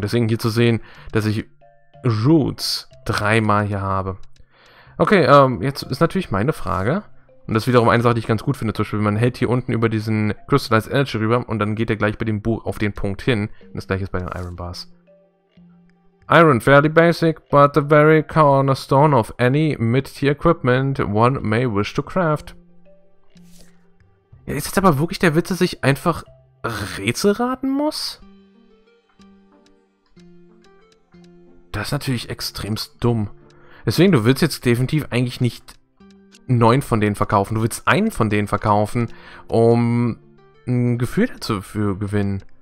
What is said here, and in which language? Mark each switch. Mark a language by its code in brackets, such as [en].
[de] Deswegen hier zu sehen, dass ich Roots dreimal hier habe. Okay, jetzt ist natürlich meine Frage. Und das ist wiederum eine Sache, die ich ganz gut finde. Zum Beispiel, man hält hier unten über diesen Crystallized Energy rüber und dann geht er gleich bei dem Buch auf den Punkt hin. Und das gleiche ist bei den Iron Bars. [en] Iron, fairly basic, but the very cornerstone of any mid-tier equipment one may wish to craft. [de] Ja, ist jetzt aber wirklich der Witz, dass ich einfach Rätsel raten muss? Das ist natürlich extremst dumm. Deswegen, du willst jetzt definitiv eigentlich nicht 9 von denen verkaufen. Du willst einen von denen verkaufen, um ein Gefühl dazu für gewinnen.